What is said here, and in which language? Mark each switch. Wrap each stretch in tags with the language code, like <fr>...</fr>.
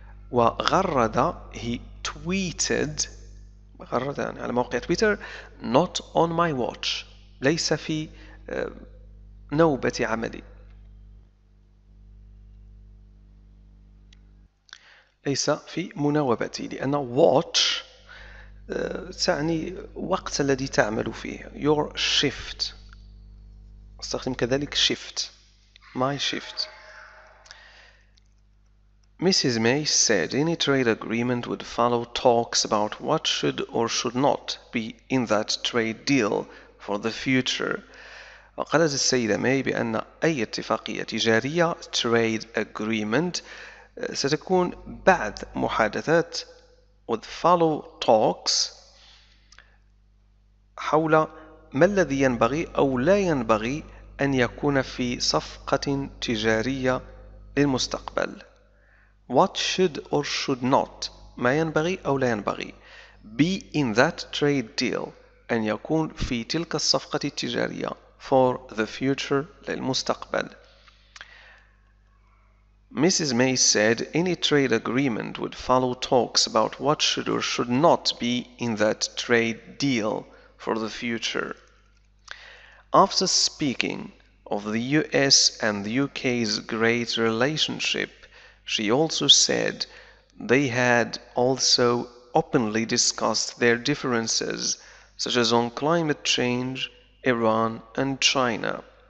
<ar>وغرد</ar> <en>he tweeted</en> <ar>يعني على موقع تويتر</ar> <en>not on my watch</en> <ar>ليس في نوبة عملي، ليس في مناوبتي، لأن watch تعني وقت الذي تعمل فيه،</ar> <en>your shift،</en> <ar>استخدم كذلك shift،</ar> <en>my shift. Mrs. May said any trade agreement would follow talks about what should or should not be in that trade deal for the future.</en> <ar>وقالت السيدة May بأن أي اتفاقية تجارية</ar> <en>trade agreement</en> <ar>ستكون بعد محادثات</ar> <en>with follow talks</en> <ar>حول ما الذي ينبغي أو لا ينبغي أن يكون في صفقة تجارية للمستقبل.</ar> <en>What should or should not،</en> <ar>ما ينبغي أو لا ينبغي،</ar> <en>be in that trade deal،</en> <ar>أن يكون في تلك الصفقة التجارية</ar> <en>for the future للمستقبل. Mrs. May said any trade agreement would follow talks about what should or should not be in that trade deal for the future. After speaking of the US and the UK's great relationship, she also said they had also openly discussed their differences, such as on climate change, Iran and China.</en>